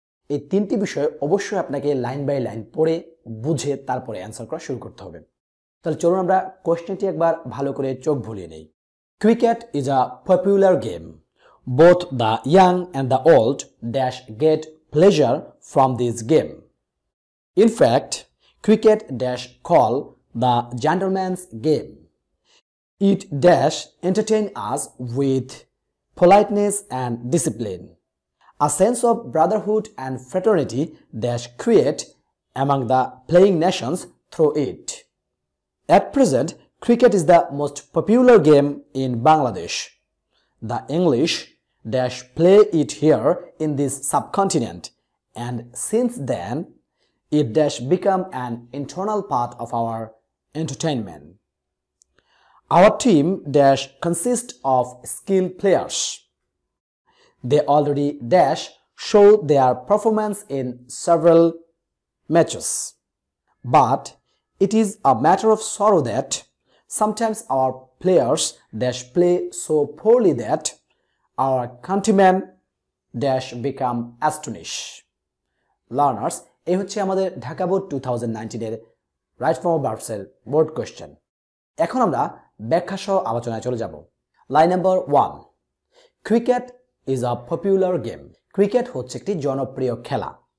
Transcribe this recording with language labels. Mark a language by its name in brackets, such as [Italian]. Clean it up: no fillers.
[Bangla] এই 3টি বিষয় অবশ্যই আপনাকে লাইন বাই লাইন পড়ে বুঝে তারপরে অ্যান্সার করা শুরু করতে হবে। তাহলে চলুন আমরা কোশ্চেনটি একবার ভালো করে চোখ ভুলিয়ে নেই। [English] Cricket is a popular game, both the young and the old dash get pleasure from this game. In fact cricket dash call the gentleman's game. It dash entertain us with politeness and discipline. A sense of brotherhood and fraternity dash create among the playing nations through it. At present, cricket is the most popular game in Bangladesh. The English dash play it here in this subcontinent, and since then it dash become an internal part of our entertainment. Our team dash consists of skilled players. They already dash show their performance in several matches. But it is a matter of sorrow that sometimes our players dash play so poorly that our countrymen dash become astonished. [Bangla] Learners, এই হচ্ছে আমাদের Dhaka board 2019 right form of verbs এর board question. এখন আমরা ব্যাখ্যা সহ আলোচনায় চলে যাব। Line number 1, [English] cricket is a popular game, [Bangla] cricket হচ্ছে একটি জনপ্রিয় খেলা।